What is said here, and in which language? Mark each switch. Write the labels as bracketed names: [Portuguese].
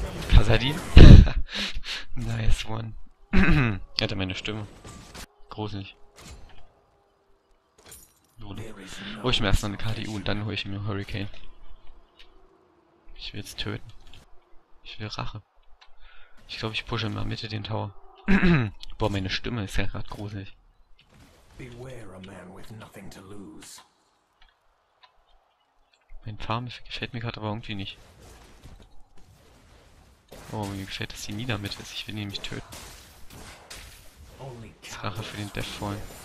[German] Kasadin? Nice one. Er hatte meine Stimme. Gruselig. Hol ich mir erstmal eine KDU und dann hole ich mir einen Hurricane. Ich will jetzt töten. Ich will Rache. Ich glaube, ich pushe mal Mitte den Tower. Boah, meine Stimme ist ja gerade gruselig. [English] Beware a man with nothing to lose. [German] Mein Farm gefällt mir gerade aber irgendwie nicht. Oh, mir gefällt, dass die Nina mit ist. Ich will nämlich töten. Das ist Rache für den Deathfallen.